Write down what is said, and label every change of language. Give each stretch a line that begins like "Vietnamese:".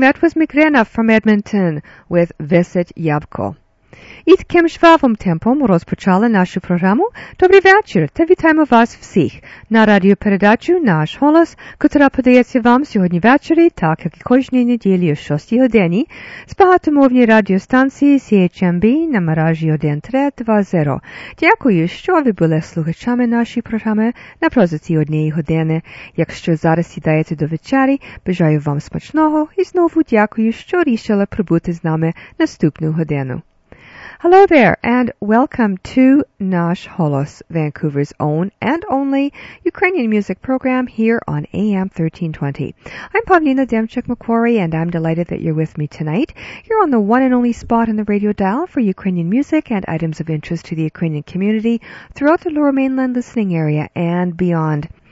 English: That was Migrena from Edmonton with Visit Yavko.
Ukrainian: Із ким жвавим темпом розпочали нашу програму? Добрий вечір та вітаємо вас всіх на радіопередачу «Наш голос», котра подається вам сьогодні ввечері, так як і кожній неділі о 6-й годині, з багатомовній радіостанції CHMB на мережі 1320. Дякую, що ви були слухачами нашої програми напрозі цієї однієї години. Якщо зараз сідаєте до вечері, бажаю вам смачного і знову дякую, що рішили прибути з нами наступну годину.
English: Hello there, and welcome to Nash Holos, Vancouver's own and only Ukrainian music program here on AM 1320. I'm Pavlina Demchuk-McQuarrie, and I'm delighted that you're with me tonight. You're on the one and only spot in the radio dial for Ukrainian music and items of interest to the Ukrainian community throughout the Lower Mainland listening area and beyond.